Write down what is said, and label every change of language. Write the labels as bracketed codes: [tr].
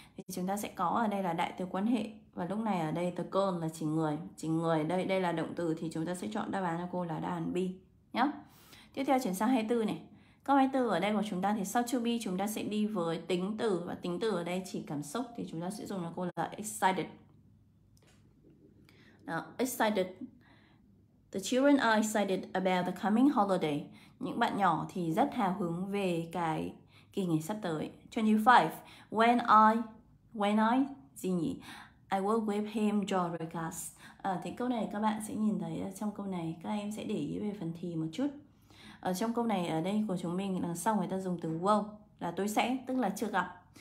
[vi] Thì chúng ta sẽ có ở đây là đại từ quan hệ. Và lúc này ở đây từ cơn là chỉ người. Chỉ người đây đây là động từ thì chúng ta sẽ chọn đáp án cho cô là đáp án B nhé. Tiếp theo chuyển sang 24 này. Câu 24 ở đây của chúng ta thì sau to be chúng ta sẽ đi với tính từ. Và tính từ ở đây chỉ cảm xúc thì chúng ta sẽ dùng cho cô là excited. Đó, excited. [en] The children are excited about the coming holiday. [vi] Những bạn nhỏ thì rất hào hứng về cái kỳ nghỉ sắp tới. 25. [en] When I [vi] gì nhỉ? [en] I will give him joy regards. [vi] À, thì câu này các bạn sẽ nhìn thấy trong câu này các em sẽ để ý về phần thì một chút. Ở trong câu này ở đây của chúng mình là sau người ta dùng từ will là tôi sẽ tức là chưa gặp.